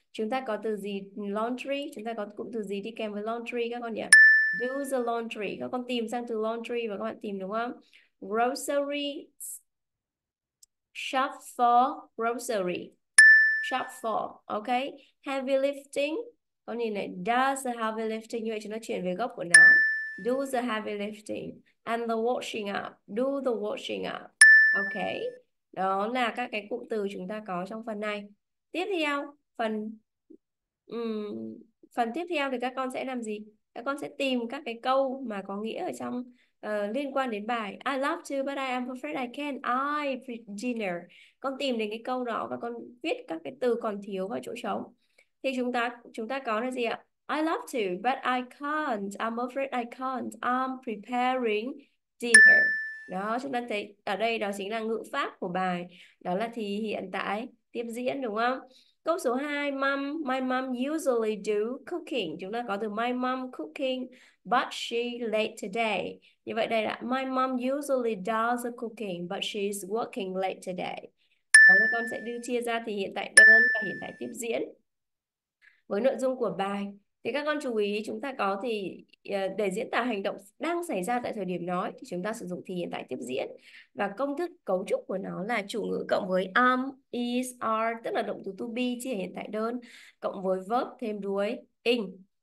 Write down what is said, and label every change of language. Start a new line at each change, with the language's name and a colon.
Vietnamese: Chúng ta có từ gì laundry, chúng ta có cụm từ gì đi kèm với laundry các con nhỉ?
English: Do the laundry.
Vietnamese: Các con tìm sang từ laundry và các bạn tìm đúng không?
English: Grocery. Shop for grocery. Shop for, ok. Heavy lifting.
Vietnamese: Con nhìn này,
English: does the heavy lifting,
Vietnamese: như vậy chúng ta chuyển về gốc của nó.
English: Do the heavy lifting and the washing up. Do the washing up. Ok.
Vietnamese: Đó là các cái cụm từ chúng ta có trong phần này. Tiếp theo, phần tiếp theo thì các con sẽ làm gì? Các con sẽ tìm các cái câu mà có nghĩa ở trong liên quan đến bài
English: I love to but I am afraid I can't. I dinner.
Vietnamese: Con tìm đến cái câu đó và con viết các cái từ còn thiếu vào chỗ trống. Thì chúng ta có là gì ạ?
English: I love to but I can't. I'm afraid I can't. I'm preparing dinner.
Vietnamese: Đó, chúng ta thấy ở đây đó chính là ngữ pháp của bài. Đó là thì hiện tại tiếp diễn đúng không? Câu số 2,
English: my mom usually do cooking.
Vietnamese: Chúng ta có từ
English: my mom cooking, but she late today.
Vietnamese: Như vậy đây là
English: my mom usually does the cooking, but she's working late today.
Vietnamese: Đó là con sẽ đưa chia ra thì hiện tại đơn và hiện tại tiếp diễn. Với nội dung của bài, thì các con chú ý chúng ta có thì để diễn tả hành động đang xảy ra tại thời điểm nói thì chúng ta sử dụng thì hiện tại tiếp diễn và công thức cấu trúc của nó là chủ ngữ cộng với am, is, are, tức là động từ to be chia hiện tại đơn cộng với verb thêm đuôi ing.